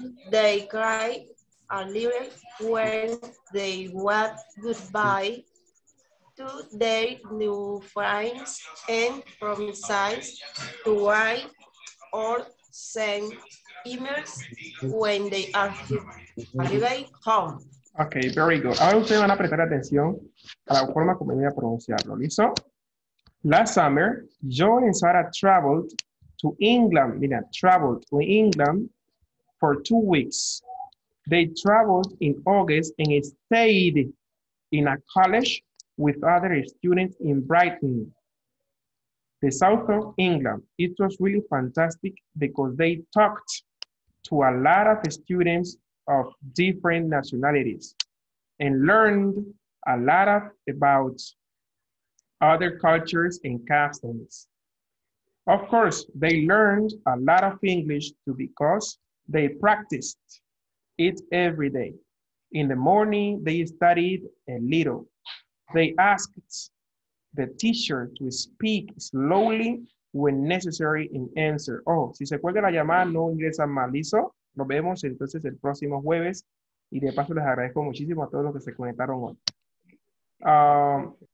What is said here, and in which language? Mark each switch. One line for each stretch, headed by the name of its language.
English: They cried a little when they waved goodbye to their new friends and promised to write or send emails when they are arriving home. Ok, very good.
Spanish: Ahora ustedes van a prestar atención a la forma como voy a pronunciarlo. ¿Listo?
English: Last summer, Joe and Sarah traveled to England.
Spanish: Mira,
English: traveled to England for 2 weeks. They traveled in August and stayed in a college with other students in Brighton, the south of England. It was really fantastic because they talked to a lot of students of different nationalities and learned a lot of about other cultures and customs. Of course, they learned a lot of English too because they practiced it every day. In the morning, they studied a little. They asked the teacher to speak slowly when necessary in answer.
Spanish: Oh, si se cuelga la llamada, no ingresan mal. ¿Listo? Nos vemos entonces el próximo jueves. Y de paso les agradezco muchísimo a todos los que se conectaron hoy.